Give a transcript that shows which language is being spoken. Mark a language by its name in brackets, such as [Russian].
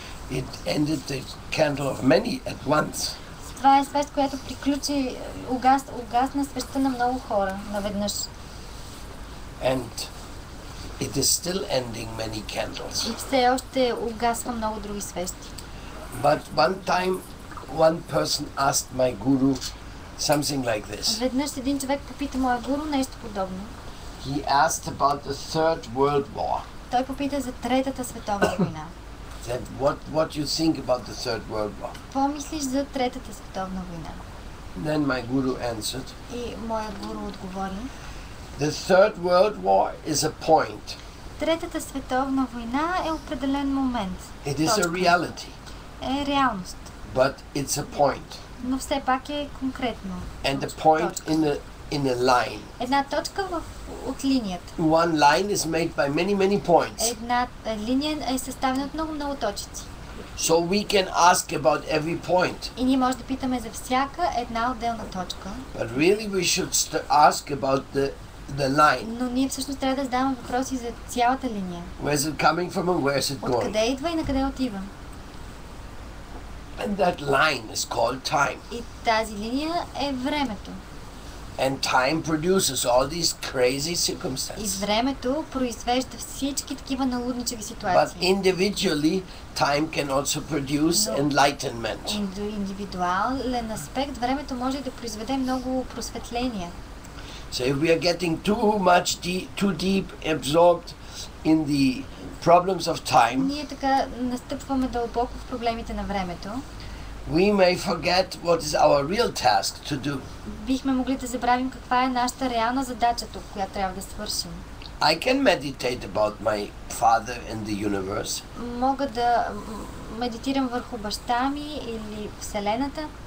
[English] It ended the candle of many at once. [Bulgarian] Това е свещ, която приключи угасна свещта на много хора наведнъж. [English] And it is still ending many candles. [Bulgarian] И все още угасва много други свещи. [English] But one time one person asked my guru something like this. [Bulgarian] Веднъж един човек попита моя гуру нещо подобно. [English] He asked about the Third World War. [Bulgarian] Той попита за Третата световна война. [English] Said, what you think about the Third World War? [Bulgarian] Какво мислиш за Третата световна война? [English] Then my guru answered. [Bulgarian] И моя гуру отговори. [English] The Third World War is a point. [Bulgarian] Третата световна война е определен момент. [English] It is a reality. [Bulgarian] Е реалност. [English] But it's a point. [Bulgarian] Но все пак е конкретно. [English] And a point in a line. [Bulgarian] Една точка в от линията. [English] One line is made by many points. [Bulgarian] Една линия е съставена от много много точки. [English] So we can ask about every point. [Bulgarian] И ние може да питаме за всяка една отделна точка. [English] But really we should ask about the line. [Bulgarian] Но ние всъщност трябва да задаваме въпроси за цялата линия. [English] Where is it coming from and where is it going? [Bulgarian] Откъде идва и накъде отива? [English] And that line is called time. [Bulgarian] И тази линия е времето. [English] And time produces all these crazy circumstances. [Bulgarian] И времето произвежда всички такива налудничави ситуации. [English] But individually, time can also produce enlightenment. [Bulgarian] Индивидуален аспект, времето може да произведе много просветление. [English] So if we are getting too much too deep absorbed in the problems of time. [Bulgarian] Ние така настъпваме дълбоко в проблемите на времето. [English] We may forget what is our real task to do. [Bulgarian] Бихме могли да забравим каква е нашата реална задача тук, която трябва да свършим. [English] I can meditate about my father and the universe. [Bulgarian] Мога да медитирам върху баща ми или вселената.